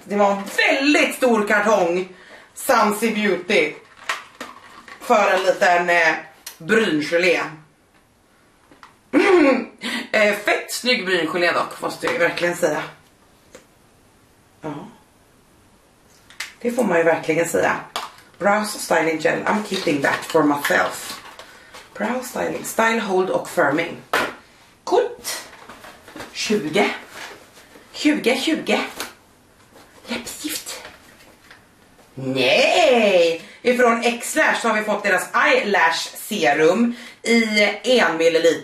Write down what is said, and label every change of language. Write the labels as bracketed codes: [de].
[sv] Det var en väldigt stor kartong. Sansi Beauty. För en liten bryngelé. Fett snygg bryngelé dock, måste jag verkligen säga. Ja. Det får man ju verkligen säga. [en] Brow styling gel, I'm keeping that for myself. Brow styling, style hold [sv] och [en] firming. [sv] Coolt. 20. 20, 20. Läppstift. Nej! Ifrån X-Lash så har vi fått deras eyelash serum i 1 ml.